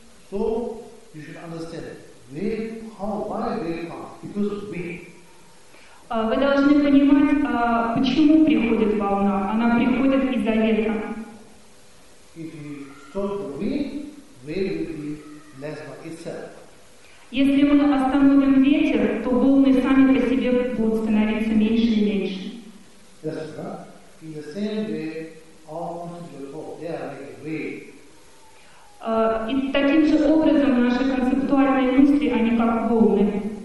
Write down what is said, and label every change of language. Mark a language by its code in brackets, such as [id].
[en] So you should understand wave, how, why wave comes, because of wind. [ru] Вы должны понимать, почему приходит волна. Она приходит из-за ветра. [en] If you stop the wind, wave will be less by itself. [ru] Если мы остановим ветер, то волны сами по себе будут становиться меньше и меньше. [en] Yes, right? In the same way, all concepts of they are like a wave. [ru] И таким же образом наши концептуальные мысли, они как волны.